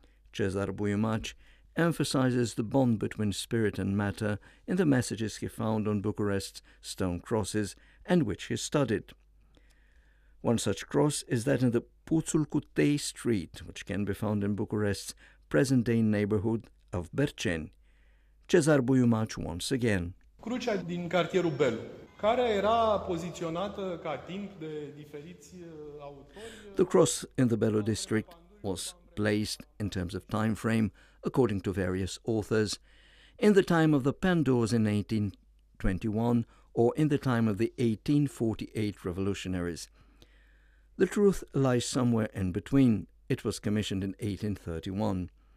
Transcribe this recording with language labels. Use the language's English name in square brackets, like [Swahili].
[English] Cezar Buiumaci emphasizes the bond between spirit and matter in the messages he found on Bucharest's stone crosses and which he studied. One such cross is that in the Puțul-Cutei street, which can be found in Bucharest's present-day neighborhood of Berceni. Cezar Buiumaci once again. [Romanian] Crucea din cartierul Bellu, care era poziționată ca timp de diferiți autori. [English] The cross in the Bellu district was placed in terms of time frame, according to various authors, in the time of the Pandours in 1821 or in the time of the 1848 revolutionaries. The truth lies somewhere in between. It was commissioned in 1831.